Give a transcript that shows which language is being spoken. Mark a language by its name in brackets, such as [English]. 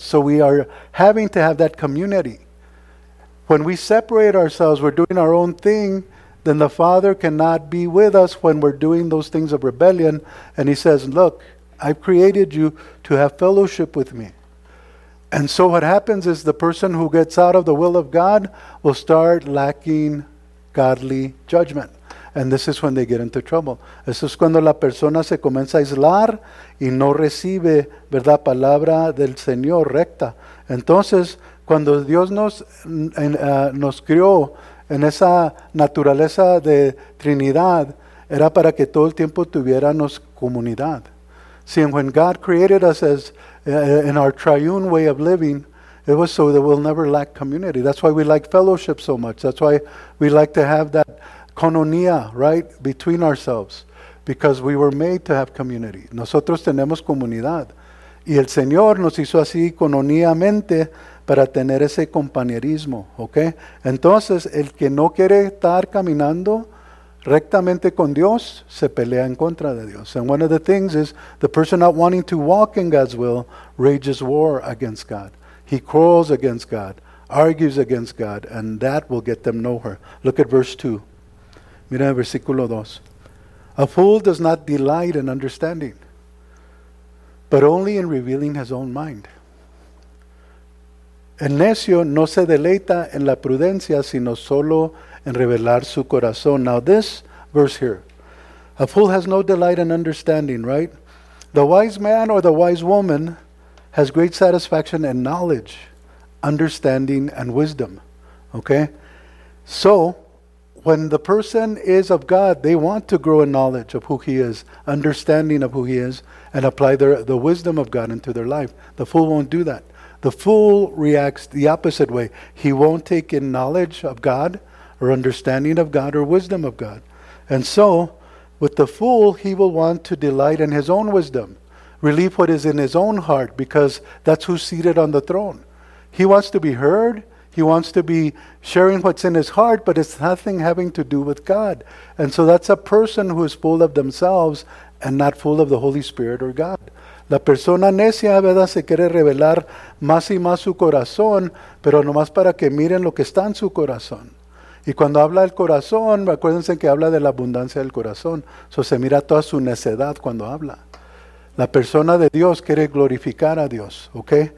[English] So we are having to have that community. When we separate ourselves, we're doing our own thing, then the Father cannot be with us when we're doing those things of rebellion. And he says, look, I've created you to have fellowship with me. And so what happens is the person who gets out of the will of God will start lacking godly judgment. And this is when they get into trouble. [Spanish] Eso es cuando la persona se comienza a aislar y no recibe, ¿verdad?, palabra del Señor recta. Entonces, cuando Dios nos creó en esa naturaleza de Trinidad, era para que todo el tiempo tuviéramos comunidad. [English] See, and when God created us as in our triune way of living, it was so that we'll never lack community. That's why we like fellowship so much. That's why we like to have that cononía, right, between ourselves, because we were made to have community. [Spanish] Nosotros tenemos comunidad. Y el Señor nos hizo así cononíamente para tener ese compañerismo, ¿ok? Entonces, el que no quiere estar caminando rectamente con Dios, se pelea en contra de Dios. [English] And one of the things is, the person not wanting to walk in God's will rages war against God. He quarrels against God, argues against God, and that will get them nowhere. Look at verse 2. [Spanish] Mira el versículo 2. [English] A fool does not delight in understanding, but only in revealing his own mind. [Spanish] El necio no se deleita en la prudencia, sino solo en revelar su corazón. [English] Now this verse here. A fool has no delight in understanding, right? The wise man or the wise woman has great satisfaction in knowledge, understanding, and wisdom. Okay? So, When the person is of God, they want to grow in knowledge of who he is, understanding of who he is, and apply the wisdom of God into their life. The fool won't do that. The fool reacts the opposite way. He won't take in knowledge of God or understanding of God or wisdom of God. And so, with the fool, he will want to delight in his own wisdom, relieve what is in his own heart, because that's who's seated on the throne. He wants to be heard. He wants to be sharing what's in his heart, but it's nothing having to do with God. And so that's a person who is full of themselves and not full of the Holy Spirit or God. [Spanish] La persona necia, ¿verdad?, se quiere revelar más y más su corazón, pero nomás para que miren lo que está en su corazón. Y cuando habla el corazón, acuérdense que habla de la abundancia del corazón. So se mira toda su necedad cuando habla. La persona de Dios quiere glorificar a Dios, ¿ok?